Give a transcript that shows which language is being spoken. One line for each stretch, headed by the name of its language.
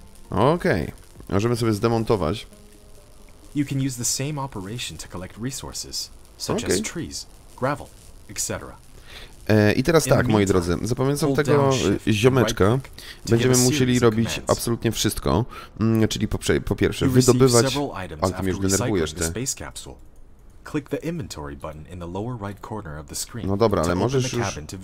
Polish: Okej, możemy sobie zdemontować.
English: You can use the same operation to collect resources, such as trees, gravel, etc.
Polish: I teraz tak, moi drodzy, za pomocą tego ziomeczka będziemy musieli robić absolutnie wszystko, czyli po pierwsze wydobywać... Ale już denerwujesz ty.
English: Click the inventory button in the lower right corner of the screen.
Polish: No dobra, ale możesz już...